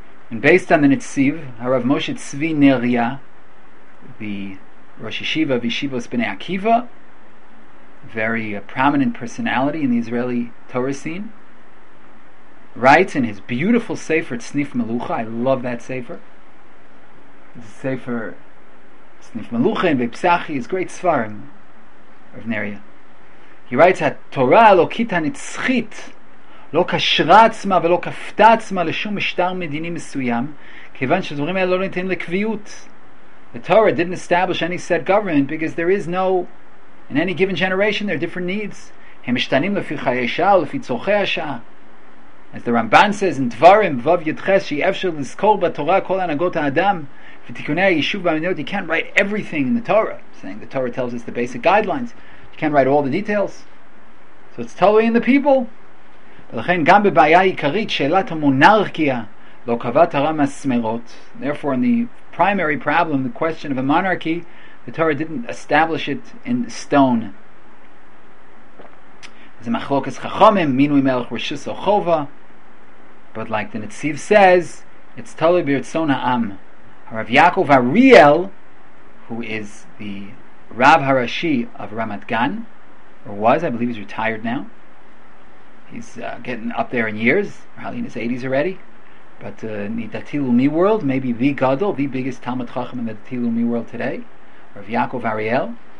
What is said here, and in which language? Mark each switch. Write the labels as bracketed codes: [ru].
[en] And based on the Netziv, Harav Moshe Tzvi Neria, the Rosh Yeshiva of Yeshivos Bnei Akiva, very prominent personality in the Israeli Torah scene, writes in his beautiful Sefer Tznif Melucha. I love that Sefer. The Sefer Tznif Melucha in Vepsachi is great Svarim of Neria. He writes that Torah Elokit HaNitzchit [he] לא קשרה עצמה ולא קפתה עצמה לשום משטר מדיני מסוים, כיוון שדברים האלה לא ניתן לקביעות. [en] The Torah didn't establish any set government because there is no, in any given generation, there are different needs. [he] הם משתנים לפי חיי שעה ולפי צורכי השעה. [en] As the Ramban says in Dvarim, Vav Yudches, [he] שאי אפשר לזכור בתורה כל הנהגות האדם, ותיקוני היישוב והמדינות. [en] You can't write everything in the Torah, saying the Torah tells us the basic guidelines. You can't write all the details. So it's totally in the people. [he] ולכן גם בבעיה עיקרית שאלת המונרכיה לא קבע תורה מסמרות. [en] Therefore, in the primary problem, the question of a monarchy, the Torah didn't establish it in stone. [he] זה מחלוקת חכמים, מינוי מלך רשות או חובה. [en] But like the Netziv says, it's totally [he] ברצון העם. [en] הרב יעקב אריאל, who is the Rav Harashi of Ramat Gan, or was, I believe he's retired now. He's getting up there in years, probably in his 80s already. But Nidati Lumi world, maybe the Gadol, the biggest Talmud Chacham in the Dati Lumi world today, Rav Yaakov Ariel.